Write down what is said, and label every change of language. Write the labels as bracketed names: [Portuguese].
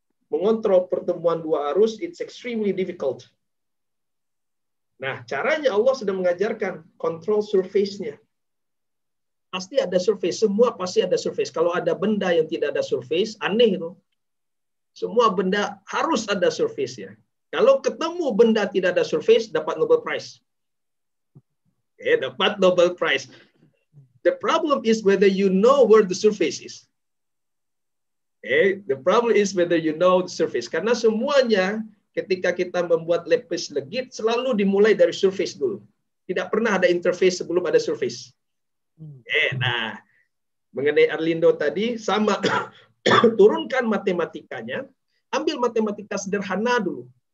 [Indonesian] Mengontrol pertemuan dua arus, [English] it's extremely difficult. [Indonesian] Nah, caranya Allah sudah mengajarkan kontrol surface-nya. Pasti ada surface, semua pasti ada surface. Kalau ada benda yang tidak ada surface, aneh itu. Semua benda harus ada surface-nya. Kalau ketemu benda tidak ada surface, dapat Nobel Prize. Okay, dapat Nobel Prize. [English] The problem is whether you know where the surface is. Okay, the problem is whether you know the surface. [Indonesian] Karena semuanya ketika kita membuat lapis legit, selalu dimulai dari surface dulu. Tidak pernah ada interface sebelum ada surface. Okay, nah, mengenai Arlindo tadi, sama. Turunkan matematikanya, ambil matematika sederhana dulu.